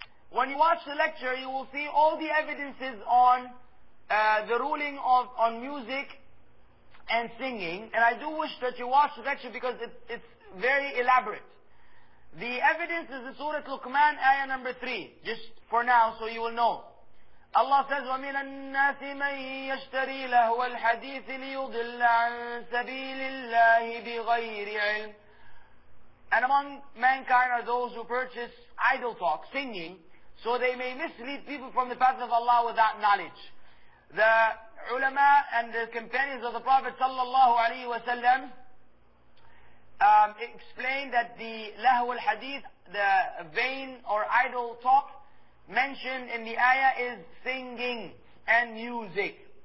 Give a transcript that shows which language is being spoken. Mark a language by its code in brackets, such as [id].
[en] When you watch the lecture, you will see all the evidences on the ruling on music and singing. And I do wish that you watch the lecture, because it's very elaborate. The evidence is the Surah Luqman, ayah number 3, just for now, so you will know. Allah says, [ar] وَمِنَ النَّاسِ مَنْ يَشْتَرِي لَهُوَ الْحَدِيثِ لِيُضِلَّ عَنْ سَبِيلِ اللَّهِ بِغَيْرِ عِلْمٍ. [en] And among mankind are those who purchase idle talk, singing, so they may mislead people from the path of Allah without knowledge. The ulama and the companions of the Prophet sallallahu alayhi wa sallam explained that the lahu al-hadith, the vain or idle talk mentioned in the ayah, is singing and music.